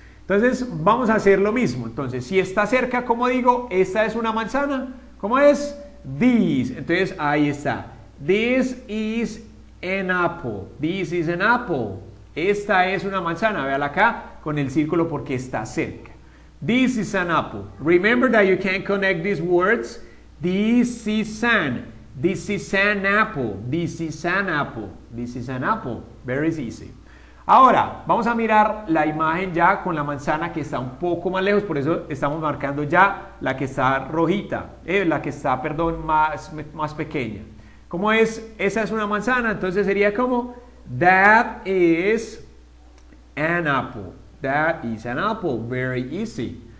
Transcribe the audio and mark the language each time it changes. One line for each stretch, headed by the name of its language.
Spanish: Entonces, vamos a hacer lo mismo. Entonces, si está cerca, como digo, esta es una manzana. ¿Cómo es? These. Entonces, ahí está.
English: This is an apple. This is an apple.
Spanish: Esta es una manzana. Véala acá con el círculo porque está cerca.
English: This is an apple. Remember that you can connect these words. This is an apple, this is an apple, this is an apple, very easy.
Spanish: Ahora, vamos a mirar la imagen ya con la manzana que está un poco más lejos, por eso estamos marcando ya la que está rojita, la que está, perdón, más pequeña. ¿Cómo es? Esa es una manzana, entonces sería como,
English: that is an apple, that is an apple, very easy.